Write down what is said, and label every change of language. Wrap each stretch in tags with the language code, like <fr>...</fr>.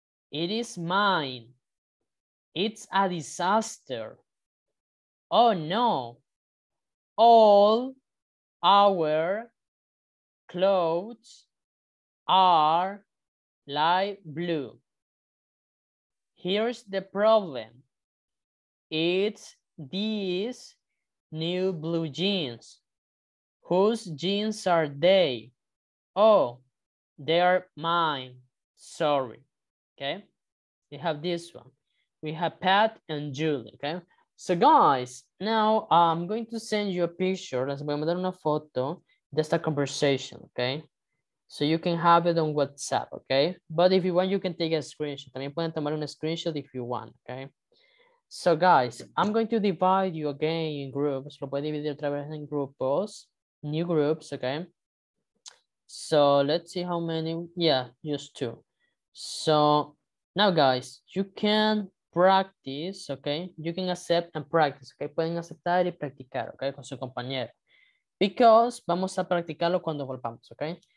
<en>it is mine, it's a disaster, oh no, all our clothes are light blue, here's the problem, it's this new blue jeans. Whose jeans are they? Oh, they're mine. Sorry. Okay. We have this one. We have Pat and Julie. Okay. So guys, now I'm going to send you a picture.</en> <es>Les voy a mandar una foto de esta conversation.</es> <en>Okay. So you can have it on WhatsApp. Okay. But if you want, you can take a screenshot.</en> <es>También pueden tomar un screenshot</es> <en>if you want. Okay. So guys, I'm going to divide you again in groups.</en> <es>Lo voy a dividir otra vez en grupos.</es> <en>New groups, okay. So let's see how many. Yeah, just two. So now, guys, you can practice, okay. You can accept and practice, okay.</en> <es>Pueden aceptar y practicar, okay, con su compañero. Because vamos a practicarlo cuando volvamos, okay.</es>